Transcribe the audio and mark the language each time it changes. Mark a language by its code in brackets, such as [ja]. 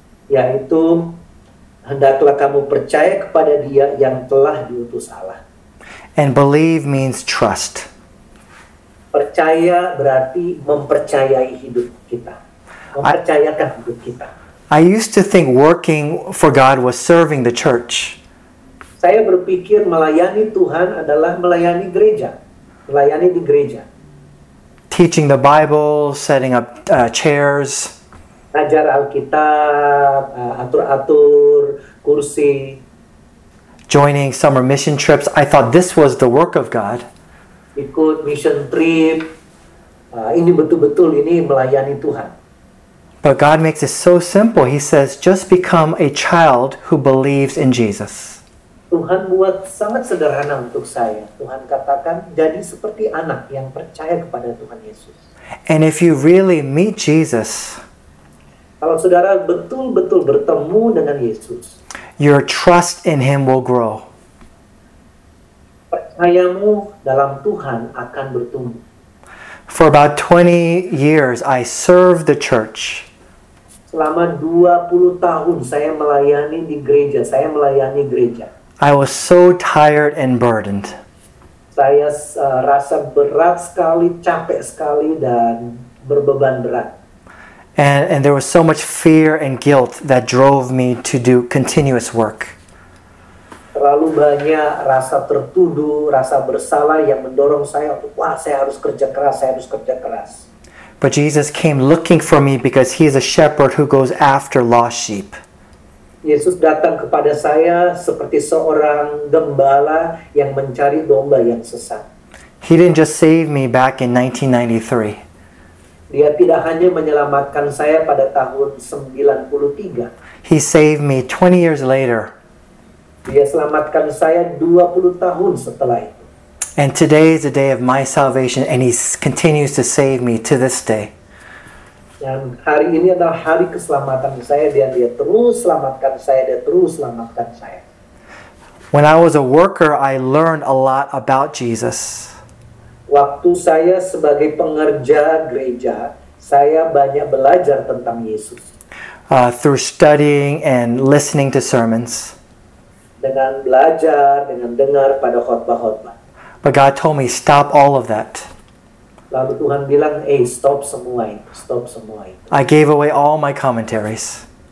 [id] Yaitu hendaklah kamu percaya kepada dia yang telah diutus Allah. [en] And believe means trust. [id] Percaya berarti mempercayai hidup kita. Mempercayakan hidup kita. [en] I used to think working for God was serving the church. [id] Saya berpikir melayani Tuhan adalah melayani gereja. Melayani di gereja. [en] Teaching the Bible, setting up chairs. [id] Ajar Alkitab, atur-atur kursi. [en] Joining summer mission trips. I thought this was the work of God. [id] Ikut mission trip. Ini betul-betul ini melayani Tuhan. [en] But God makes it so simple. He says, just become a child who believes in Jesus. [id] Tuhan buat sangat sederhana untuk saya. Tuhan katakan, jadi seperti anak yang percaya kepada Tuhan Yesus. [en] And if you really meet Jesus, [id] kalau saudara betul-betul bertemu dengan Yesus, [en] your trust in him will grow. [id] Percayamu dalam Tuhan akan bertumbuh. [en] For about 20 years, I served the church. [id] Selama 20 tahun, saya melayani di gereja. Saya melayani gereja. [en] I was so tired and burdened. [id] Saya rasa berat sekali, capek sekali, dan berbeban berat. [en] And there was so much fear and guilt that drove me to do continuous work. [id] Terlalu banyak rasa tertuduh, rasa bersalah yang mendorong saya untuk, wah, saya harus kerja keras, saya harus kerja keras. [en] But Jesus came looking for me because he is a shepherd who goes after lost sheep. [id] Yesus datang kepada saya seperti seorang gembala yang mencari domba yang sesat. [en] He didn't just save me back in 1993. [id] Dia tidak hanya menyelamatkan saya pada tahun 93. [en] He saved me 20 years later. [id] Dia selamatkan saya 20 tahun setelah itu. [en] And today is the day of my salvation and he continues to save me to this day. [id] Dan hari ini adalah hari keselamatan saya. Dia terus selamatkan saya. Dia terus selamatkan saya. [en] When I was a worker, I learned a lot about Jesus. [id] Waktu saya sebagai pengerja gereja, saya banyak belajar tentang Yesus. [en] Through studying and listening to sermons. [id] Dengan belajar, dengan dengar pada khotbah-khotbah. [en] But God told me, stop all of that. [id] Lalu Tuhan bilang, stop semua itu, stop semua itu. [en] I gave away all my commentaries.